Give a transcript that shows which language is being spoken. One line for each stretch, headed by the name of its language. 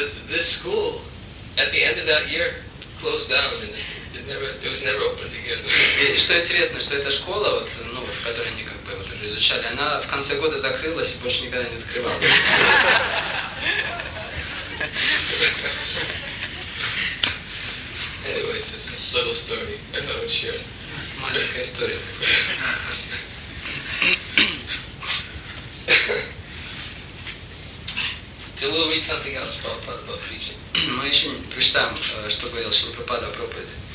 English: This school, at the end of that year, closed down. It was never opened again.
Russian: И что интересно, что эта школа, вот, ну, в которой они как бы вот это изучали, она в конце года закрылась и больше никогда не открывалась.
English: Anyway, it's a little story. I thought I'd share.
Russian: Маленькая история.
English: Till we read something else, Prabhupada, about preaching.
Russian: Мы еще не прочитаем, что говорил Шрила Прабхупада о проповеди.